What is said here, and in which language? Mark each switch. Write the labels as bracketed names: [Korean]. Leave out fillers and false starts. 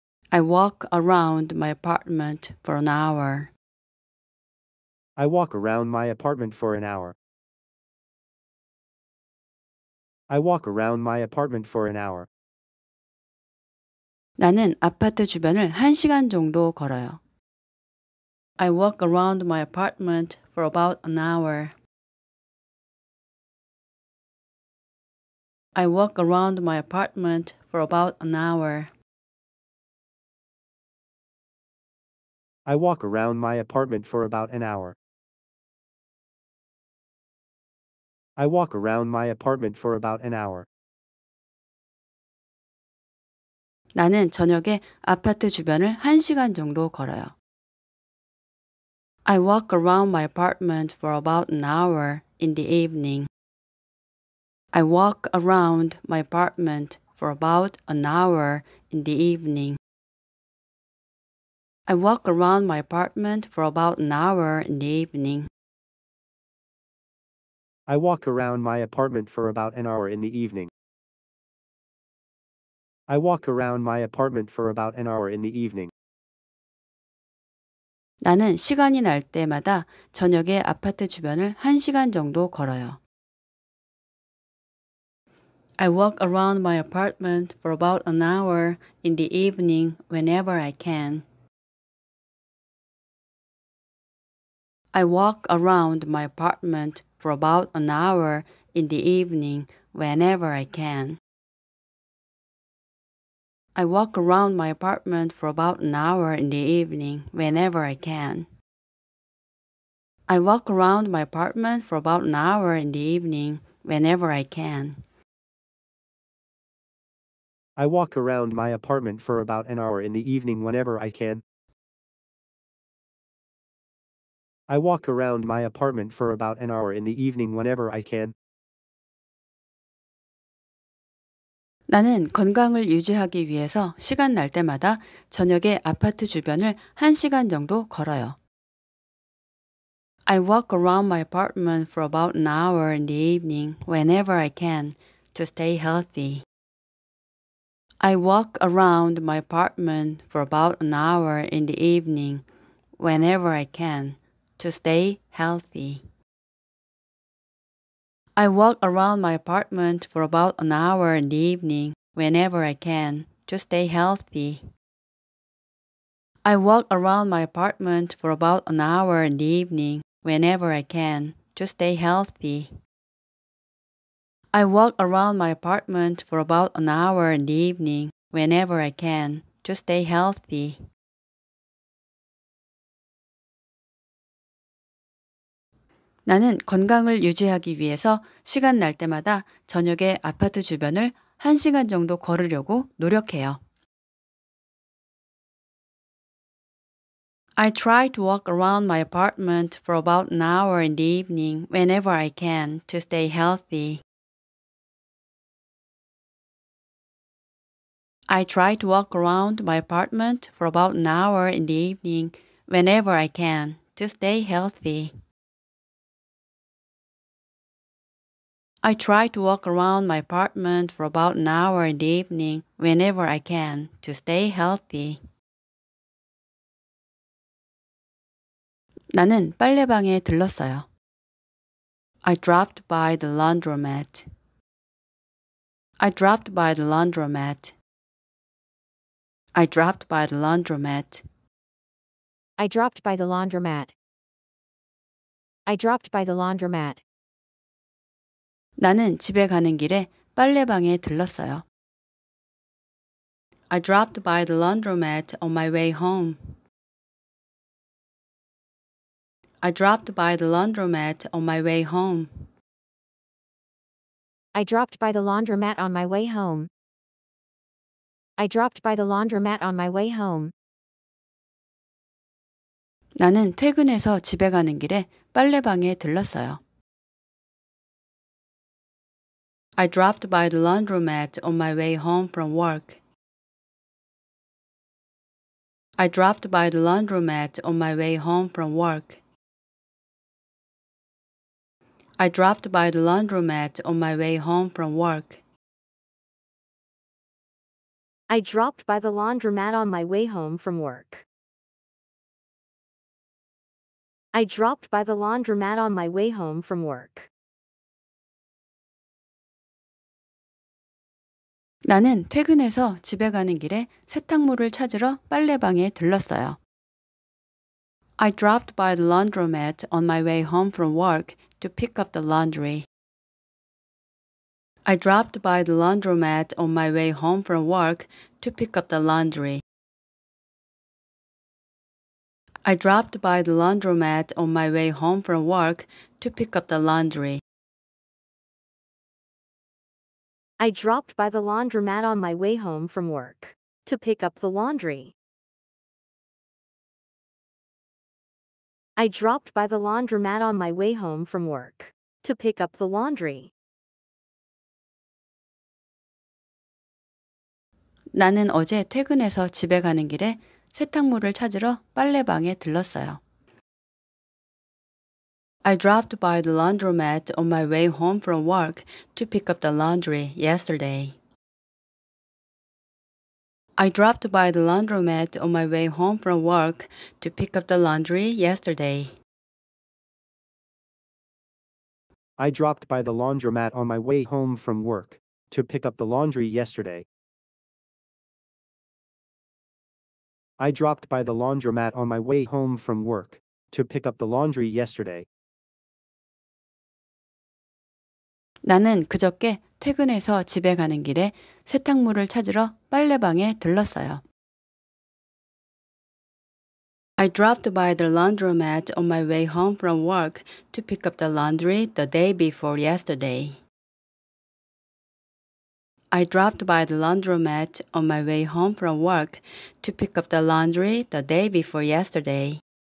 [English] I walk around my apartment for an hour. I walk around my apartment for an hour. I walk around my apartment for an hour. [Korean] 나는 아파트 주변을 한 시간 정도 걸어요. [English] I walk around my apartment for about an hour. I walk around my apartment for about an hour. I walk around my apartment for about an hour. I walk around my apartment for about an hour. [Korean] 나는 저녁에 아파트 주변을 한 시간 정도 걸어요. [English] I walk around my apartment for about an hour in the evening. I walk around my apartment for about an hour in the evening. I walk around my apartment for about an hour in the evening. I walk around my apartment for about an hour in the evening. I walk around my apartment for about an hour in the evening. [Korean] 나는 시간이 날 때마다 저녁에 아파트 주변을 한 시간 정도 걸어요. [English] I walk around my apartment for about an hour in the evening whenever I can. I walk around my apartment for about an hour in the evening whenever I can. I walk around my apartment for about an hour in the evening whenever I can. I walk around my apartment for about an hour in the evening whenever I can. I walk around my apartment for about an hour in the evening whenever I can. I walk around my apartment for about an hour in the evening whenever I can. [Korean] 나는 건강을 유지하기 위해서 시간 날 때마다 저녁에 아파트 주변을 한 시간 정도 걸어요. [English] I walk around my apartment for about an hour in the evening whenever I can to stay healthy. I walk around my apartment for about an hour in the evening whenever I can. To stay healthy. I walk around my apartment for about an hour in the evening whenever I can to stay healthy. I walk around my apartment for about an hour in the evening whenever I can to stay healthy. I walk around my apartment for about an hour in the evening whenever I can to stay healthy. [Korean] 나는 건강을 유지하기 위해서 시간 날 때마다 저녁에 아파트 주변을 한 시간 정도 걸으려고 노력해요. [English] I try to walk around my apartment for about an hour in the evening whenever I can to stay healthy. I try to walk around my apartment for about an hour in the evening whenever I can to stay healthy. I try to walk around my apartment for about an hour in the evening whenever I can to stay healthy. [Korean] 나는 빨래방에 들렀어요. [English] I dropped by the laundromat. I dropped by the laundromat. I dropped by the laundromat. I dropped by the laundromat. I dropped by the laundromat. [Korean] 나는 집에 가는 길에 빨래방에 들렀어요. [English] I dropped by the laundromat on my way home. I dropped by the laundromat on my way home. I dropped by the laundromat on my way home. I dropped by the laundromat on my way home. [Korean] 나는 퇴근해서 집에 가는 길에 빨래방에 들렀어요. [English] I dropped by the laundromat on my way home from work. I dropped by the laundromat on my way home from work. I dropped by the laundromat on my way home from work. I dropped by the laundromat on my way home from work. I dropped by the laundromat on my way home from work. [Korean] 나는 퇴근해서 집에 가는 길에 세탁물을 찾으러 빨래방에 들렀어요. [English] I dropped by the laundromat on my way home from work to pick up the laundry. I dropped by the laundromat on my way home from work to pick up the laundry. I dropped by the laundromat on my way home from work to pick up the laundry. I dropped by the laundromat on my way home from work to pick up the laundry. I dropped by the laundromat on my way home from work to pick up the laundry. [Korean] 나는 어제 퇴근해서 집에 가는 길에 세탁물을 찾으러 빨래방에 들렀어요. [English] I dropped by the laundromat on my way home from work to pick up the laundry yesterday. I dropped by the laundromat on my way home from work to pick up the laundry yesterday. I dropped by the laundromat on my way home from work to pick up the laundry yesterday. I dropped by the laundromat on my way home from work to pick up the laundry yesterday. [Korean] 나는 그저께 퇴근해서 집에 가는 길에 세탁물을 찾으러 빨래방에 들렀어요. [English] I dropped by the laundromat on my way home from work to pick up the laundry the day before yesterday. I dropped by the laundromat on my way home from work to pick up the laundry the day before yesterday.